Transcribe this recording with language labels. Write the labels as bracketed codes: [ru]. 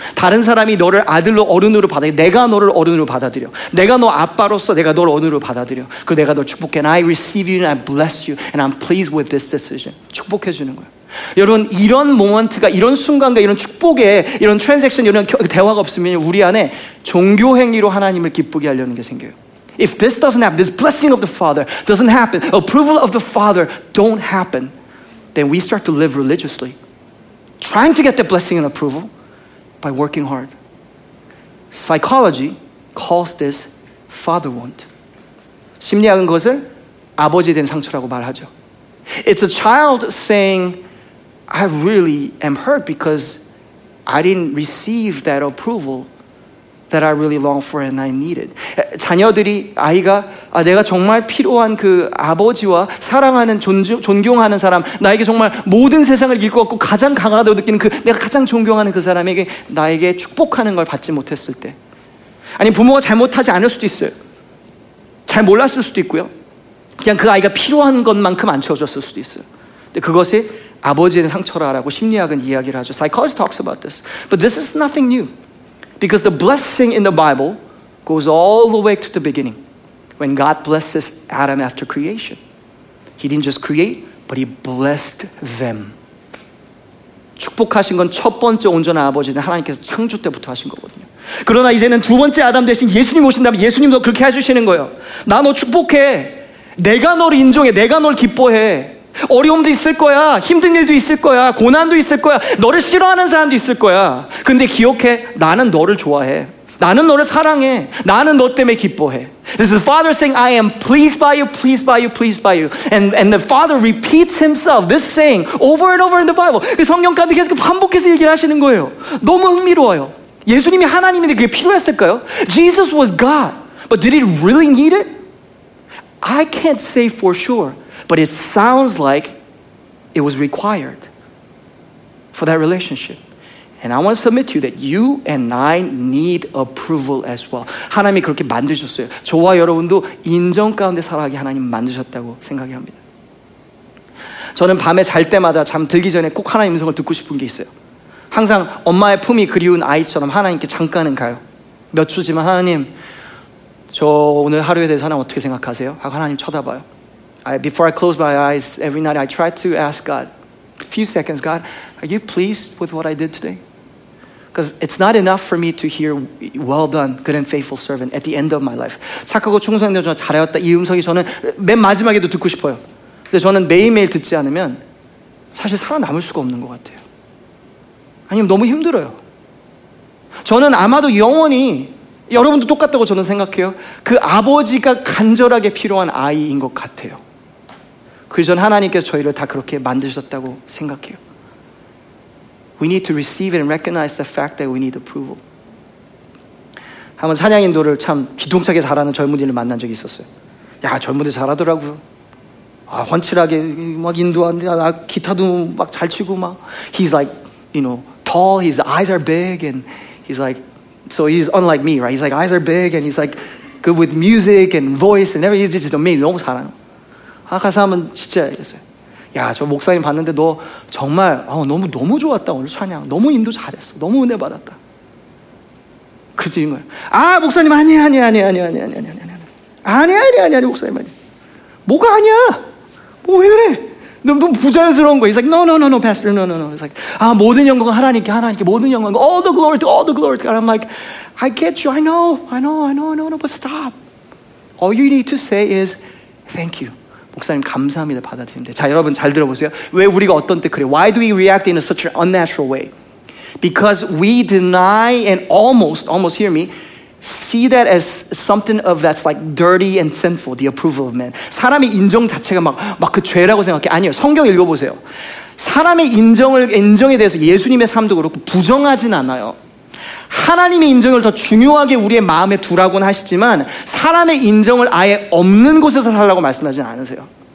[ko] 다른 사람이 너를 아들로 어른으로 받아, 내가 너를 어른으로 받아들여. 내가 너 아빠로서 내가 너를 어른으로 받아들여. 그리고 내가 너 축복해. [en] And I receive you and I bless you and I'm pleased with this decision. [ko] 축복해 주는 거예요. 여러분 이런 모먼트가 이런 순간과 이런 축복에 이런 트랜잭션 이런 대화가 없으면 우리 안에 종교 행위로 하나님을 기쁘게 하려는 게 생겨요. [en] If this doesn't happen, this blessing of the Father doesn't happen, approval of the Father don't happen, then we start to live religiously, trying to get the blessing and approval by working hard. Psychology calls this father wound. [ko] 심리학은 그것을 아버지 된 상처라고 말하죠. [en] It's a child saying I really am hurt because I didn't receive that approval that I really longed for and I needed. [ko] 자녀들이 아이가 아, 내가 정말 필요한 그 아버지와 사랑하는 존경하는 사람 나에게 정말 모든 세상을 이길 것 같고 가장 강하다고 느끼는 그 내가 가장 존경하는 그 사람에게 나에게 축복하는 걸 받지 못했을 때 아니 부모가 잘못하지 않을 수도 있어요. 잘 몰랐을 수도 있고요. 그냥 그 아이가 필요한 것만큼 안 채워줬을 수도 있어요. 근데 그것이 아버지의 상처라고 심리학은 이야기를 하죠. [en] Psychology talks about this. But this is nothing new. Because the blessing in the Bible goes all the way to the beginning. When God blesses Adam after creation. He didn't just create, but he blessed them. [ko] 축복하신 건 첫 번째 온전한 아버지는 하나님께서 창조 때부터 하신 거거든요. 그러나 이제는 두 번째 아담 대신 예수님 오신다면 예수님도 그렇게 해주시는 거예요. 나 너 축복해. 내가 널 인정해. 내가 널 기뻐해. 어려움도 있을 거야 힘든 일도 있을 거야 고난도 있을 거야 너를 싫어하는 사람도 있을 거야 근데 기억해 나는 너를 좋아해 나는 너를 사랑해 나는 너 때문에 기뻐해 [en] This is the father saying I am pleased by you pleased by you pleased by you and the father repeats himself this saying over and over in the Bible [ko] 성경 가운데 계속 반복해서 얘기를 하시는 거예요 너무 흥미로워요 예수님이 하나님인데 그게 필요했을까요? [en] Jesus was God but did he really need it? I can't say for sure But it sounds like it was required for that relationship. And I want to submit to you that you and I need approval as well. [ko] 하나님이 그렇게 만드셨어요. 저와 여러분도 인정 가운데 살아가게 하나님 만드셨다고 생각합니다. 저는 밤에 잘 때마다 잠 들기 전에 꼭 하나님 음성을 듣고 싶은 게 있어요. 항상 엄마의 품이 그리운 아이처럼 하나님께 잠깐은 가요. 몇 초지만 하나님, 저 오늘 하루에 대해서 하나님 어떻게 생각하세요? 하고 하나님 쳐다봐요. [en] Before I close my eyes every night, I try to ask God, a few seconds, God, are you pleased with what I did today? Because it's not enough for me to hear well done, good and faithful servant at the end of my life. [ko] 착하고 충성된 종 잘하였다. 이 음성이 저는 맨 마지막에도 듣고 싶어요. 근데 저는 매일매일 듣지 않으면 사실 살아남을 수가 없는 것 같아요. 아니면 너무 힘들어요. 저는 아마도 영원히 여러분도 똑같다고 저는 생각해요. 그 아버지가 간절하게 필요한 아이인 것 같아요. 그 전 하나님께서 저희를 다 그렇게 만드셨다고 생각해요. We need to receive and recognize the fact that we need approval. 한번 찬양 인도를 참 기둥차게 잘하는 젊은이를 만난 적이 있었어요. 야, 젊은이 잘하더라고요. 아, 훤칠하게 막 인도한데 아, 기타도 막 잘 치고 막. [en] He's like, you know, tall, his eyes are big and he's like, so he's unlike me, right? He's like, eyes are big and he's like good with music and voice and everything. He's just amazing. [ko] 너무 잘하는 거예요. 아, 가서 한번 진짜 얘기했어요. 야, 저 목사님 봤는데 너 정말 너무 좋았다 오늘 찬양. 너무 인도 잘했어. 너무 은혜 받았다. 그지 이 거야. 아, 목사님 아니 목사님 아니. 뭐가 아니야? 뭐 왜 그래? 너무 부자연스러운 거야. [en] He's like, no, pastor, no. He's like, [ko] 아, 모든 영광 하나님께 모든 영광. [en] All the glory to God. I'm like, I get you. I know. But stop. All you need to say is, thank you. [ko] 목사님 감사합니다 받아들인데 자 여러분 잘 들어보세요 왜 우리가 어떤 때 그래 [en] Why do we react in a such an unnatural way? Because we deny and almost hear me see that as something of that's like dirty and sinful the approval of men [ko] 사람의 인정 자체가 막 그 죄라고 생각해 아니요 성경 읽어보세요 사람의 인정에 대해서 예수님의 삶도 그렇고 부정하진 않아요 하나님의 인정을 더 중요하게 우리의 마음에 두라고는 하시지만 사람의 인정을 아예 없는 곳에서 살라고 말씀하지는 않으세요.